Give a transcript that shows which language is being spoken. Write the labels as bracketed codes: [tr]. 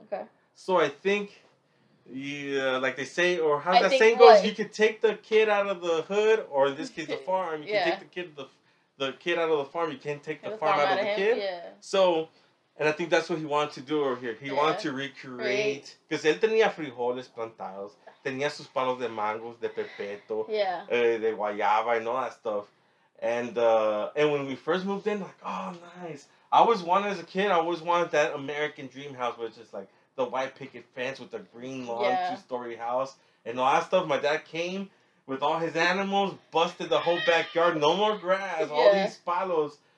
[en] Okay. So I think, like they say, or how that saying goes, you could take the kid out of the hood, or in this case, the farm, you can take the kid out of the farm, you can't take the farm out of the kid. Yeah. So, and I think that's what he wanted to do over here. He wanted to recreate. Because [es] él tenía frijoles plantados. Tenía sus palos de mangos, de pepeto. [en] Yeah. [es] De guayaba [en] and all that stuff. And when we first moved in, like, oh, nice. I always wanted that American dream house, which is like the white picket fence with the green lawn, two-story house. And all that stuff. My dad came with all his animals, busted the whole backyard, no more grass, all these palos.